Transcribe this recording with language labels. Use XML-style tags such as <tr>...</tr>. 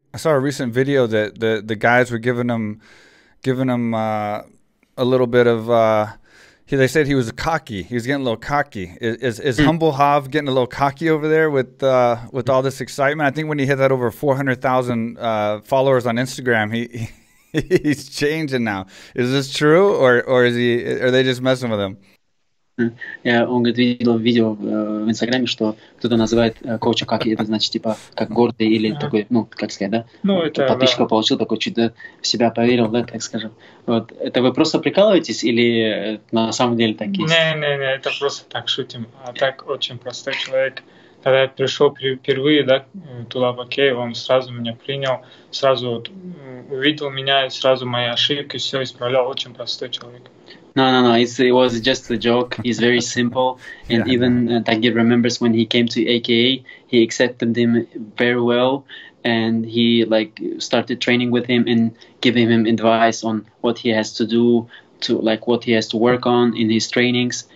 <en>I saw a recent video that the guys were giving him a little bit of they said he was cocky. He was getting a little cocky. Is Humble Hav getting a little cocky over there with all this excitement? I think when he hit that over 400,000 followers on Instagram, he's changing now. Is this true, or are they just messing with him?</en> <ru>Я, он говорит, видел видео в Инстаграме, что кто-то называет коуча как, это значит, типа, как гордый или такой, ну, как сказать, да? Ну, это, подписчика, да, получил, такой чуть-то в себя поверил, да, так скажем. Вот. Это вы просто прикалываетесь или на самом деле так есть? Не-не-не, это просто так шутим. А так очень простой человек. Когда я пришел впервые, да, туда в Окей, он сразу меня принял, сразу вот увидел меня, сразу мои ошибки, все исправлял. Очень простой человек.</ru> <en>No. It was just a joke. He's very simple, and yeah, even Tagir remembers when he came to AKA, he accepted him very well, and he like started training with him and giving him advice on what he has to do, to like what he has to work on in his trainings.</en>